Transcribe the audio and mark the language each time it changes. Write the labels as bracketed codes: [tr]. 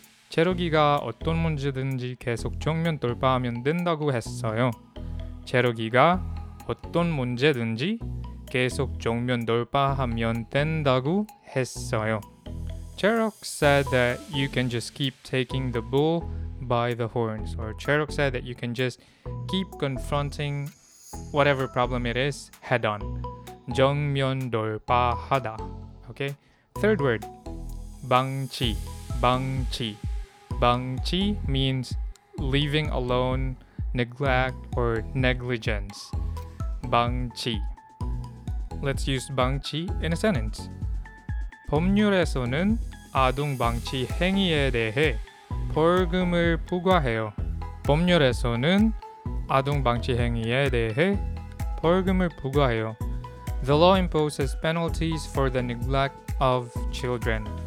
[ko] 체로기가 어떤 문제든지 계속 정면 돌파하면 된다고 했어요. 체로기가 어떤 문제든지 계속 정면 돌파하면 된다고 했어요. [en] Cherok said that you can just keep taking the bull by the horns, or Cherok said that you can just keep confronting whatever problem it is head on. [ko] 정면 돌파하다. [en] Okay. Third word, [ko] 방치. 방치. [en] 방치 means leaving alone, neglect, or negligence. 방치. Let's use 방치 in a sentence. [ko] 법률에서는 아동 방치 행위에 대해 벌금을 부과해요. 법률에서는 아동 방치 행위에 대해 벌금을 부과해요. [en] The law imposes penalties for the neglect of children.